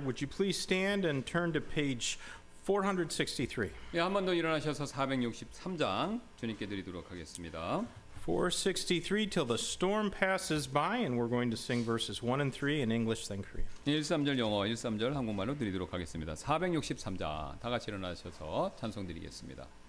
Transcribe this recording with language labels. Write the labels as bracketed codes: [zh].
[en] Would you please stand and turn to page 463. [ko] 예, 한 번 더 일어나셔서 463장 주님께 드리도록 하겠습니다. [en] 463 till the storm passes by, and we're going to sing verses 1 and 3 in English then Korean. [ko] 13절 영어, 13절 한국말로 드리도록 하겠습니다. 463장 다 같이 일어나셔서 찬송 드리겠습니다.